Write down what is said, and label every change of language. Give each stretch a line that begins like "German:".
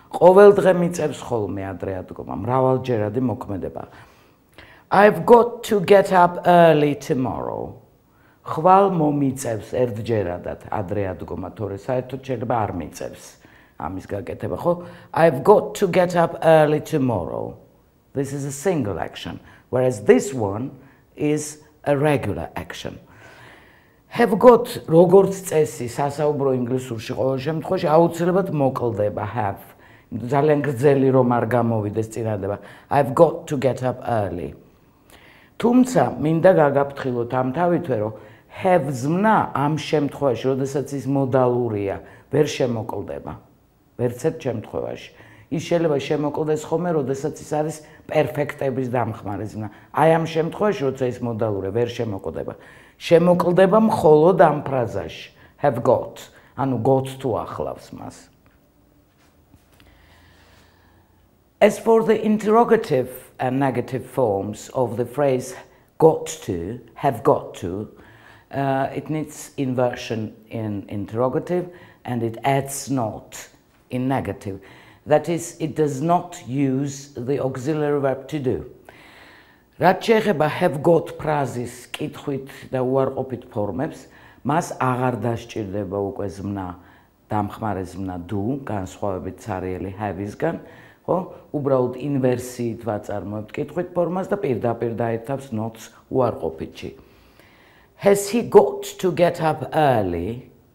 Georgian: ყოველ დღე მიწევს ხოლმე ადრე ადგომა, მრავალჯერადი მოქმედება.
English: I've got to get up early tomorrow.
Georgian: ხვალ მომიწევს ერთჯერადად ადრე ადგომა, თორე საერთოდ შეიძლება არ მიწევს. ამის გაკეთება ხო?
English: I've got to get up early tomorrow. This is a single action, whereas this one is a regular action.
Georgian: Have got როგორც წესი სასაუბრო ინგლისურში ყოველ შემთხვევაში აუცილებლად მოკლდება have. ძალიან გრძელი რომ არ გამოვიდეს წინადადება.
English: I've got to get up early.
Georgian: თუმცა მინდა გაგაფრთხილოთ ამ თავითვე რომ have ზმნა ამ შემთხვევაში, როდესაც ის მოდალურია, ვერ შემოკლდება. Верцет შემთხვევაში ის შეიძლება შემოკლდეს ხოლმე, როდესაც ის არის პერფექტების დამხმარე ზმნა. აი ამ შემთხვევაში, როცა ის მოდალურია, ვერ შემოკლდება. შემოკლდება მხოლოდ ამ ფრაზაში. Have got. ანუ got თუ ახლავს მას.
English: As for the interrogative and negative forms of the phrase got to, have got to, it needs inversion in interrogative and it adds not. In negative, that is, it does not use the auxiliary verb to do.
Georgian: რაც შეეხება have got ფრაზის კითხვით და უარყოფით ფორმებს, მას აღარ დასჭირდება უკვე ზმნა დამხმარე ზმნა do, განსხვავებით ცარიელი have-ისგან, ხო? უბრალოდ ინვერსიით ვაწარმოებთ კითხვით ფორმას და პირდაპირ დაერთავს not-ს უარყოფითში.
English: Has he got to get up early?